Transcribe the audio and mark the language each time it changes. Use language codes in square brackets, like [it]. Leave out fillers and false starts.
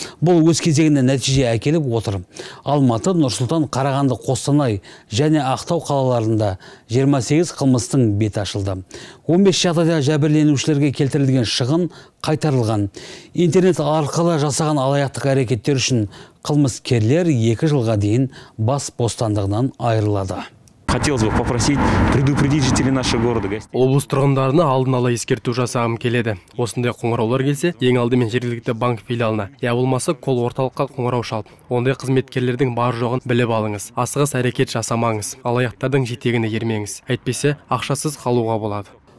[kk] Бұл өз кезегінде нәтиже әкеліп отыр. Алматы, Нұр-Сұлтан, Қарағанды, Қостанай және Ақтау қалаларында 28 қылмыстың беті ашылды. 15 жағдайда жәбірленушілерге келтірілген шығын қайтарылған. Интернет арқылы жасаған алаяқтық әрекеттер үшін қылмыскерлер 2 жылға дейін бас бостандығынан айырылады. [ru] Хотелось бы попросить предупредить жителей нашего города. [kk] Облыс тұрғындарына алдын ала ескерту жасағым келеді. Осындай қоңыраулар келсе, ең алдымен жергілікті банк филиалына, я болмаса кол орталыққа қоңырау шалып, ондай қызметкерлердің бар жоғын біліп алыңыз. Асығыс әрекет жасамаңыз. Алаяқтардың жетегіне ермеңіз. Әйтпесе ақшасыз қалуға болады.